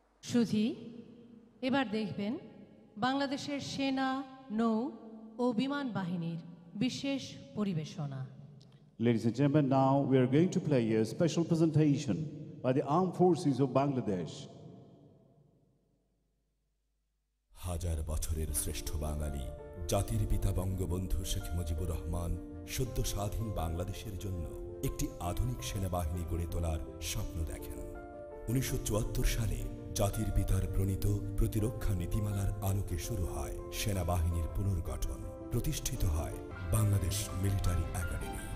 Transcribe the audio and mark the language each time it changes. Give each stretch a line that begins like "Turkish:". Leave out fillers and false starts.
Bangla: সুধি, এবার দেখবেন বাংলাদেশের সেনা, নৌ ও বিমান বাহিনীর বিশেষ পরিবেশনা।
English: Ladies and gentlemen, now we are going to play a special presentation by the armed forces of Bangladesh.
Bangla: হাজার বছরের শ্রেষ্ঠ বাঙালি জাতির পিতা বঙ্গবন্ধু শেখ মুজিবুর রহমান সদ্য স্বাধীন বাংলাদেশের জন্য একটি আধুনিক সেনাবাহিনী গড়ে তোলার স্বপ্ন দেখেন। 1974 সালে জাতির পিতার প্রণীত প্রতিরক্ষা নীতিমালার আলোকে শুরু হয় সেনাবাহিনীর পুনর্গঠন, প্রতিষ্ঠিত হয় বাংলাদেশ মিলিটারি একাডেমি।